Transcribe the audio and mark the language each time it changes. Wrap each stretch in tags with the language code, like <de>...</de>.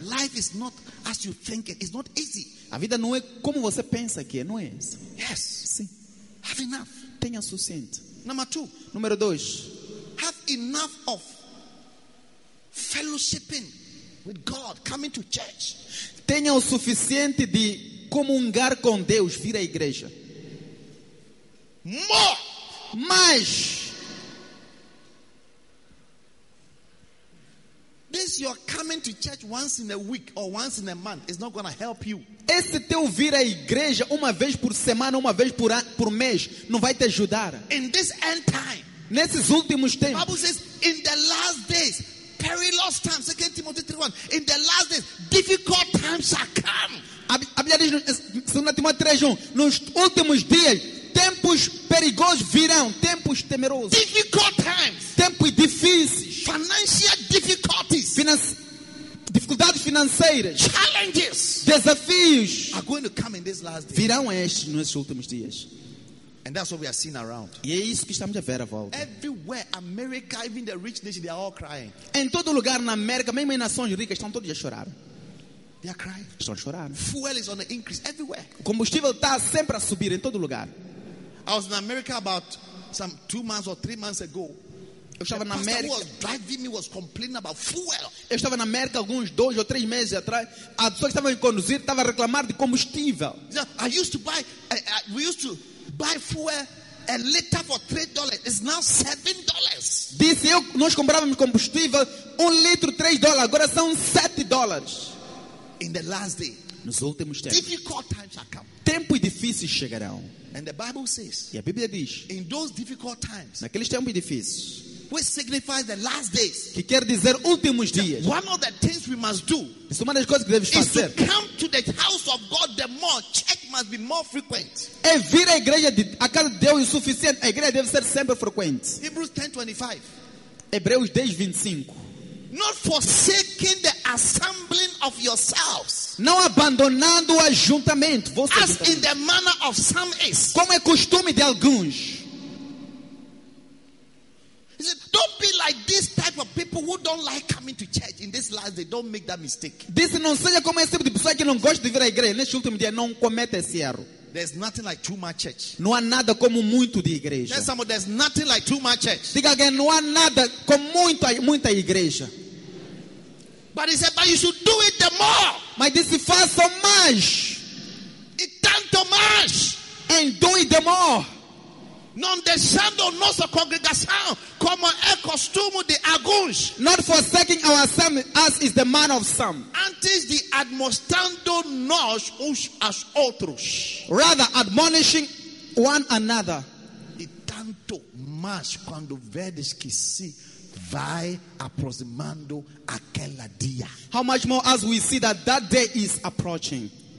<en>Life is not as you think it. It's not easy.</en> <pt>A vida não é como você pensa que é, não é?</pt> <en>Yes.</en> <pt>Sim.</pt> <en>Have enough.</en> <pt>Tenha o suficiente.</pt> <en>Number two.</en> <pt>Número dois.</pt> <en>Have enough of fellowshipping with God, coming to church.</en> <pt>Tenha o suficiente de comungar com Deus, vir à igreja.</pt> <en>More.</en> <pt>Mais.</pt> <en>This your coming to church once in a week or once in a month is not going to help you.</en> <pt>Esse teu vir à igreja uma vez por semana, uma vez por mês, não vai te ajudar.</pt> <en>In this end time.</en> <pt>Nesses últimos tempos.</pt> <en>The Bible says, in the last days, perilous times, 2 Timothy 3:1. In the last days, difficult times shall come.</en> <pt>A Bíblia diz, 2 Timóteo 3:1, nos últimos dias, tempos perigosos virão, tempos temerosos.</pt> <en>Difficult times.</en> <pt>Tempos difíceis.</pt> <en>Financial difficulties.</en> <pt>Dificuldades financeiras.</pt> <en>Challenges.</en> <pt>Desafios.</pt> <en>Are going to come in these last days.</en> <pt>Virão estes nos últimos dias.</pt> <en>And that's what we are seeing around.</en> <pt>E é isso que estamos a ver à volta.</pt> <en>Everywhere, America, even the rich nation, they are all crying.</en> <pt>Em todo lugar na América, mesmo as nações ricas estão todos a chorar.</pt> <en>They are crying.</en> <pt>Estão a chorar.</pt> <en>Fuel is on the increase everywhere.</en> <pt>O combustível está sempre a subir em todo lugar.</pt> <en>I was in America about some 2 months or 3 months ago.</en> <pt>Eu estava na</pt> <en>pastor</en> <pt>América.</pt> <en>Was driving me was complaining about fuel.</en> <pt>Eu estava na América alguns 2 ou 3 meses atrás. A pessoa que estava a conduzir estava a reclamar de combustível.</pt> <en>I used to buy, we used to buy fuel a liter for $3. It's now $7.</en> <pt>Disse eu, nós comprávamos combustível 1 litro $3. Agora são $7.</pt> <en>In the last day.</en> <pt>Nos últimos tempos.</pt> <en>Difficult times shall come.</en> <pt>Tempos difíceis chegarão.</pt> <en>And the Bible says.</en> <pt>E a Bíblia diz.</pt> <en>In those difficult times.</en> <pt>Naqueles tempos difíceis.</pt> <en>which signifies the last days.</en> <pt>Que quer dizer últimos dias.</pt> <en>One of the things we must do is</en> <pt>uma das coisas que devemos fazer.</pt> <en>To come to the house of God, the more check must be more frequent.</en> <pt>É vir à igreja de, a casa de Deus é suficiente. A igreja deve ser sempre frequente. Hebreus 10:25.</pt> <en>Not forsaking the assembling of yourselves.</en> <pt>Não abandonando o ajuntamento. Você</pt> <en>as in the manner of some is.</en> <pt>Como é costume de alguns.</pt> <en>He said, don't be like this type of people who don't like coming to church in this last day. Don't make that mistake.</en> <pt>Disse, não seja como esse tipo de pessoa que não gosta de vir à igreja neste último dia. Não cometa esse erro.</pt> <en>There's nothing like too much church.</en> <pt>Não há nada como muito de igreja.</pt> <en>Tell someone, there's nothing like too much church.</en> <pt>Diga</pt> <en>again,</en> <pt>não há nada como muita igreja.</pt> <en>But he said, but you should do it the more.</en> <pt>Mas disse, faça mais. E tanto mais.</pt> <en>And do it the more.</en> <pt>Non deixando nossa congregação como é costume de alguns.</pt> <en>Not forsaking our assembly, as is the man of some.</en> <pt>Antes de admoestando nós uns aos outros.</pt> <en>Rather admonishing one another.</en> <pt>E tanto mais quando vedes que se vai aproximando aquela dia.</pt> <en>How much more as we see that day is approaching.</en>